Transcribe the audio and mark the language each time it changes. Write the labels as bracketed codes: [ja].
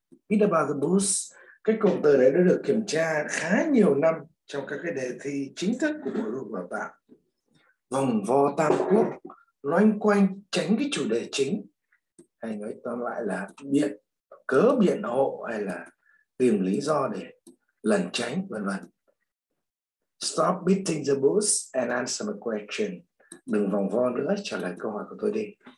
[vi] Read about the bus. Cái cụm từ đấy đã được kiểm tra khá nhiều năm trong các cái đề thi chính thức của Bộ Giáo dục Đào tạo. Vòng vo tam quốc, loanh quanh tránh cái chủ đề chính, hay nói tóm lại là biện cớ biện hộ hay là tìm lý do để lẩn tránh, vân vân. [en] Stop beating the bush and answer my question. [vi] Đừng vòng vo nữa, trả lời câu hỏi của tôi đi.